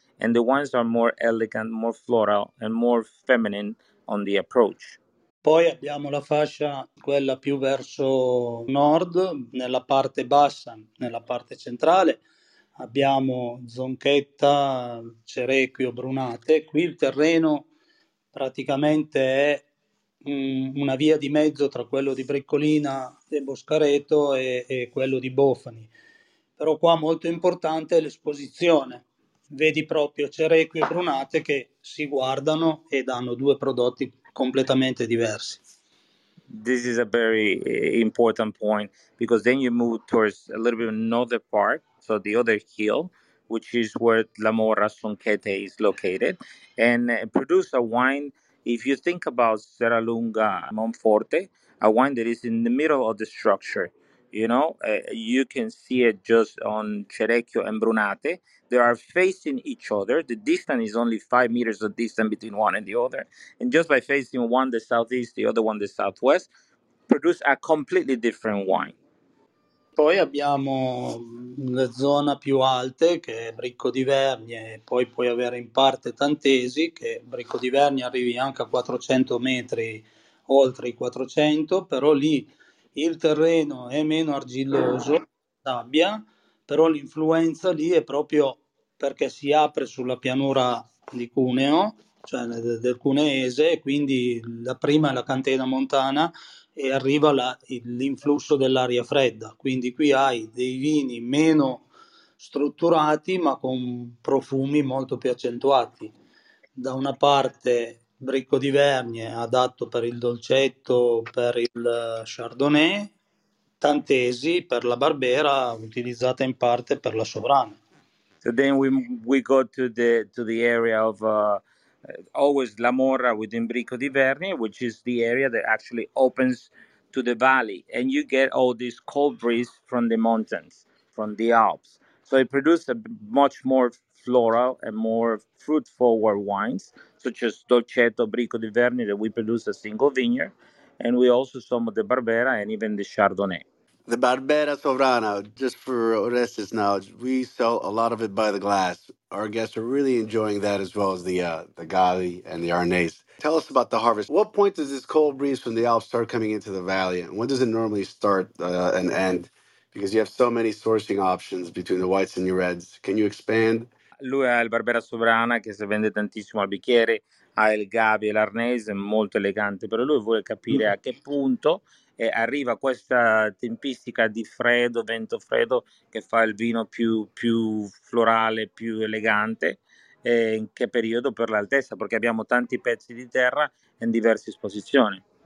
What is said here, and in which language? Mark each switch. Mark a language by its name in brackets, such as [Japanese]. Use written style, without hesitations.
[English] And the wines are more elegant, more floral, and more feminine on the approach. [Italian] Poi abbiamo la fascia, quella più verso nord, nella parte bassa, nella parte centrale. Abbiamo Zonchetta, Cerequio, Brunate. Qui il terreno praticamente è una via di mezzo tra quello di Briccolina e Boscareto e quello di Bofani. Però qua molto importante è l'esposizione. Vedi proprio Cerequio e Brunate che si guardano e danno due prodotti completamente diversi. [English] This is a very important point because then you move towards a little bit another part, so the other hill, which is where La Mora Zonchetta is located, and produce a wine, if you think about Serra Lunga Monforte, a wine that is in the middle of the structure. You know, you can see it just on Cerequio and Brunate. They are facing each other. The distance is only 5 meters of distance between one and the other. And just by facing one the southeast, the other one the southwest, produce a completely different wine. [Italian] Poi abbiamo la zona più alte, che è Bricco di Vernie. Poi puoi avere in parte Tantesi, che Bricco di Vernie arrivi anche a 400 metri, oltre i 400, però lì il terreno è meno argilloso, sabbia, però l'influenza lì è proprio perché si apre sulla pianura di Cuneo, cioè del Cuneese, e quindi la prima è la Cantena Montana e arriva l'influsso dell'aria fredda. Quindi qui hai dei vini meno strutturati ma con profumi molto più accentuati. Da una parte Bricco di Vernie, adatto per il dolcetto, per il Chardonnay, Tantesi per la Barbera, utilizzata in parte per la Sovrana. [English] So then we go to the area of always La Mora within Bricco di Vernie, which is the area that actually opens to the valley, and you get all this cold breeze from the mountains, from the Alps. So it produces a much more floral and more fruit forward wines, such as Dolcetto, Bricco di Vernie, that we produce a single vineyard, and we also some of the Barbera and even the Chardonnay. The Barbera Sovrana, just for Orestes now, we sell a lot of it by the glass. Our guests are really enjoying that as well as the Galli and the Arnais. Tell us about the harvest. What point does this cold breeze from the Alps start coming into the valley, and when does it normally start and end? Because you have so many sourcing options between the whites and your reds. Can you expand? [Italian] Lui ha il Barbera Sovrana che si vende tantissimo al bicchiere, ha il Gavi e l'Arnese, molto elegante, però lui vuole capire a che punto arriva questa tempistica di freddo, vento freddo, che fa il vino più florale, più elegante, e in che periodo per l'altezza, perché abbiamo tanti pezzi di terra in diverse esposizioni.